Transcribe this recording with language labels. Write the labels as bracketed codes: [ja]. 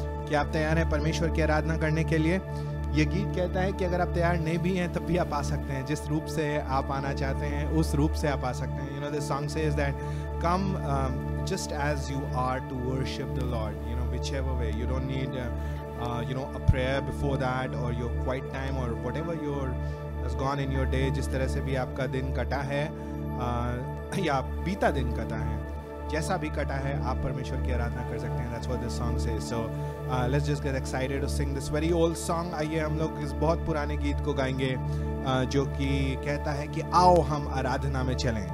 [hi] कि आप तैयार हैं परमेश्वर की आराधना करने के लिए? ये गीत कहता है कि अगर आप तैयार नहीं भी हैं तब भी आप आ सकते हैं, जिस रूप से आप आना चाहते हैं उस रूप से आप आ सकते हैं. [en] You know the song says that come just as you are to worship the Lord. You know whichever way. You don't need you know a prayer before that or your quiet time or whatever your has gone in your day. [hi] जिस तरह से भी आपका दिन कटा है या बीता दिन कटा है, जैसा भी कटा है आप परमेश्वर की आराधना कर सकते हैं. [en] That's what this song says. So let's just get excited to sing this very old song. [hi] आइए हम लोग इस बहुत पुराने गीत को गाएंगे जो कि कहता है कि आओ हम आराधना में चलें.